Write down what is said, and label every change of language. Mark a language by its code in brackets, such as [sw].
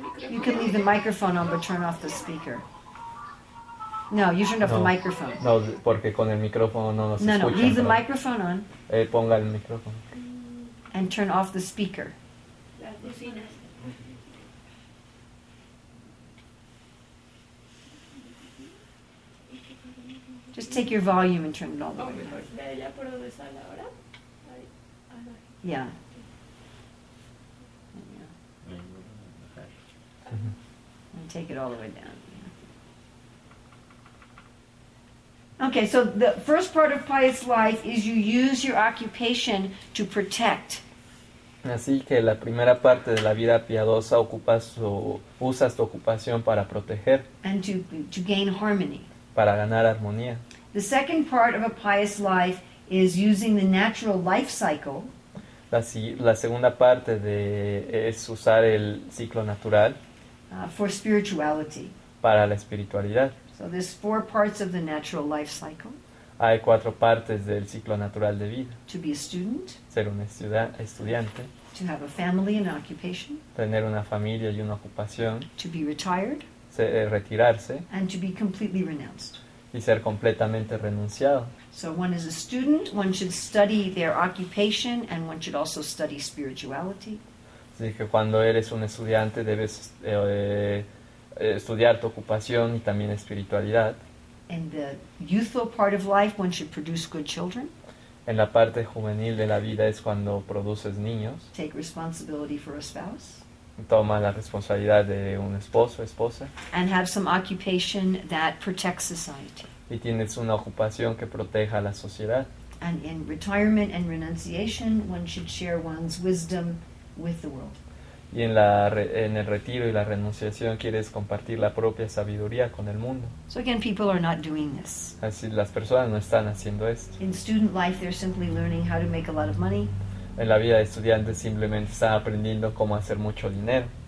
[en] You can leave the microphone on, but turn off the speaker. No, you turn off the microphone. [es] No, porque con el micrófono no nos escuchan. [en] No, no, leave the microphone on. [es] Ponga el micrófono. [en] And turn off the speaker. Just take your volume and turn it all the way up. Yeah. And take it all the way down. Okay, so the first part of pious life is you use your occupation to protect. [es] Así que la primera parte de la vida piadosa usas tu ocupación para proteger. [en] And to gain harmony. [es] Para ganar armonía. [en] The second part of a pious life is using the natural life cycle. [es] La segunda parte es usar el ciclo natural. [en] For spirituality. [es] Para la espiritualidad. [en] So there's four parts of the natural life cycle. [es] Hay cuatro partes del ciclo natural de vida. [en] To be a student. [es] Ser un estudiante. [en] To have a family and occupation. [es] Tener una familia y una ocupación. [en] To be retired. [es] Retirarse. [en] And to be completely renounced. [es] Y ser completamente renunciado. [en] So one is a student, one should study their occupation and one should also study spirituality. [es] Así que cuando eres un estudiante debes estudiar tu ocupación y también espiritualidad. [en] In the youthful part of life, one should produce good children. [es] En la parte juvenil de la vida es cuando produces niños. [en] Take responsibility for a spouse. [es] Toma la responsabilidad de un esposo o esposa. [en] And have some occupation that protects society. [es] Y tienes una ocupación que proteja a la sociedad. [en] And in retirement and renunciation, one should share one's wisdom with the world. [es] Y en el retiro y la renunciación quieres compartir la propia sabiduría con el mundo. [en] So again, people are not doing this. [es] Así las personas no están haciendo esto. [en] In student life, they're simply learning how to make a lot of money. [es] En la vida de estudiante simplemente están aprendiendo cómo hacer mucho dinero.